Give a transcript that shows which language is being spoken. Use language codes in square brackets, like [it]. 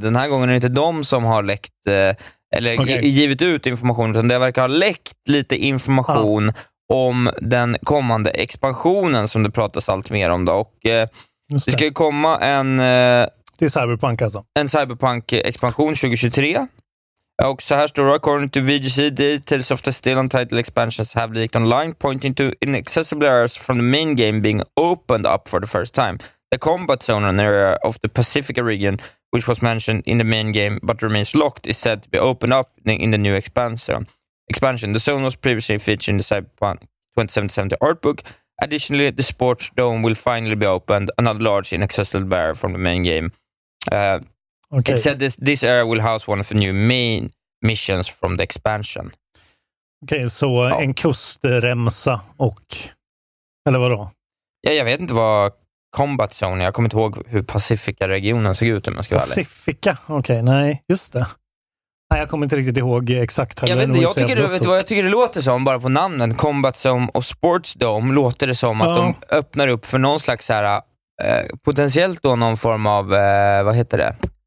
[sv] Den här gången är det inte de som har läckt, eller givit ut information, utan det verkar ha läckt lite information, ja, om den kommande expansionen som det pratas allt mer om då. Och det ska ju komma en... Det är Cyberpunk alltså. En Cyberpunk-expansion 2023. [en] Och så här står det: according to VGC, details of the still untitled expansions have leaked online, pointing to inaccessible areas from the main game being opened up for the first time. The combat zone in the area of the Pacifica region, which was mentioned in the main game but remains locked, is said to be opened up in the new expansion. Expansion. The zone was previously featured in the Cyberpunk 2077 artbook. Additionally, the sports dome will finally be opened, another large inaccessible barrier from the main game. It said this area will house one of the new main missions from the expansion. [sv] Okej, okay, så en kustremsa och... Eller vadå? Ja, jag vet inte vad combat zone är. Jag kommer inte ihåg hur Pacifica-regionen såg ut, om jag ska vara Pacifica? Okej, okay, nej, just det. Nej, jag kommer inte riktigt ihåg exakt. Jag vet, jag tycker, jag vet vad jag tycker det låter som, bara på namnen, Combat Zone och Sports Dome, låter det som att, ja, de öppnar upp för någon slags här, potentiellt då någon form av, vad heter det?